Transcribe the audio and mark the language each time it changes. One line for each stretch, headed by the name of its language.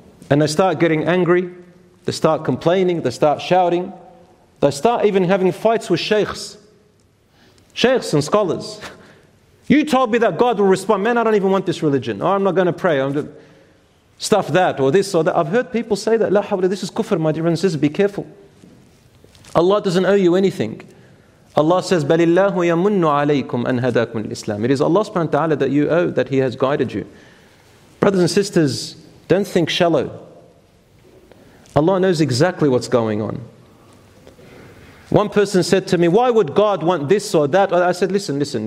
English: And they start getting angry, they start complaining, they start shouting, they start even having fights with sheikhs and scholars. You told me that God will respond, man, I don't even want this religion, or I'm not going to pray, I'm doing stuff that, or this, or that. I've heard people say that, la hawla, this is kufr, my dear brothers and sisters, be careful. Allah doesn't owe you anything. Allah says,
Arabic: بَلِ اللَّهُ يَمُنُّ عَلَيْكُمْ أَنْ هَدَاكُمْ الْإِسْلَامِ.
English: It is Allah subhanahu wa ta'ala that you owe, that He has guided you. Brothers and sisters, don't think shallow. Allah knows exactly what's going on. One person said to me, why would God want this or that? I said, listen.